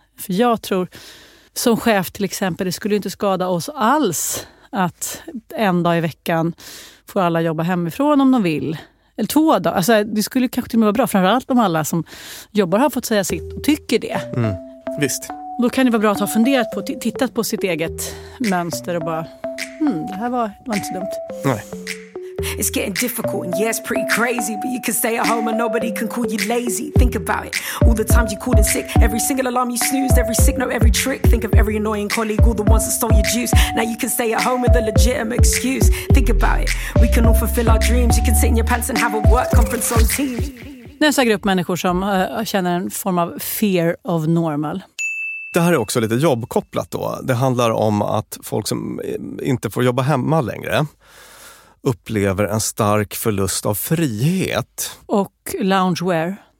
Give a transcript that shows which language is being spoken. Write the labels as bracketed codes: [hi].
[sv] För jag tror, som chef till exempel, det skulle inte skada oss alls att en dag i veckan får alla jobba hemifrån om de vill. Eller två dagar. Alltså, det skulle kanske till och med vara bra, framförallt om alla som jobbar har fått säga sitt och tycker det. Mm. Visst. Då kan det vara bra att ha funderat på, tittat på sitt eget mönster och bara, det här var inte så dumt. Nej. [en] It's getting difficult and yeah, it's pretty crazy, but you can stay at home and nobody can call you lazy. Think about it, all the times you called in sick, every single alarm you snoozed, every sick note, every trick. Think of every annoying colleague, all the ones that stole your juice. Now you can stay at home with a legitimate excuse. Think about it, we can all fulfill our dreams. You can sit in your pants and have a work conference on Teams. [sv] Nästa grupp människor som känner en form av [en] fear of normal. [sv] Det här är också lite jobbkopplat då. Det handlar om att folk som inte får jobba hemma längre upplever en stark förlust av frihet. Och loungewear.